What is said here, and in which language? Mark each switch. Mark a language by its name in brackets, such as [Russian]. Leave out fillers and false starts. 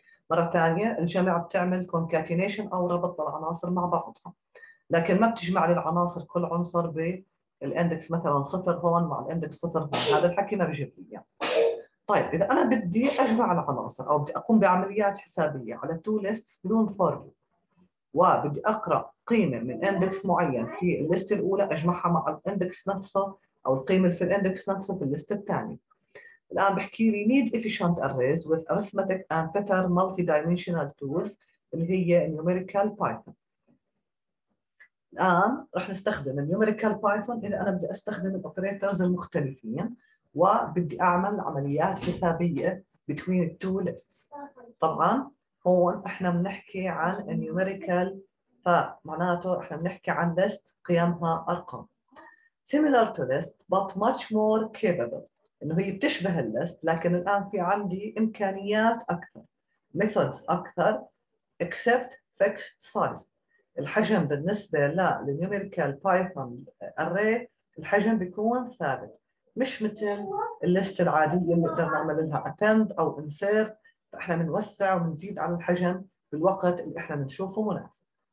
[Arabic] مرة ثانية الجمع بتعمل concatenation أو ربط العناصر مع بعضها، لكن ما بتجمع للعناصر كل عنصر بالإندكس مثلا صفر هون مع الإندكس صفر هون، هذا الحكي ما بجيب لي. طيب إذا أنا بدي أجمع العناصر أو بدي أقوم بعمليات حسابية على two lists بدون for loop وبدي أقرأ قيمة من إندكس معين في الليست الأولى أجمعها مع الإندكس نفسه أو القيمة في الإندكس نفسه في الليست الثانية. الآن بحكي لي [English] need efficient arrays with arithmetic and better multi-dimensional tools [Arabic] اللي هي [English] numerical python. [Arabic] الآن رح نستخدم numerical python إذا أنا بدي أستخدم الأوبريترز المختلفين وبدي أعمل عمليات حسابية [English] between two lists. [Arabic] طبعاً هون إحنا بنحكي عن numerical، فمعناته إحنا بنحكي عن list قيمها أرقام. [English] Similar to list but much more capable، [Arabic] إنه هي بتشبه list لكن الآن في عندي إمكانيات أكثر، methods أكثر، [English] except fixed size. [Arabic] الحجم بالنسبة للnumerical python array الحجم بيكون ثابت، مش مثل الليست العادية اللي بنقدر نعمل لها append أو insert، فإحنا بنوسع وبنزيد على الحجم بالوقت اللي إحنا بنشوفه مناسب.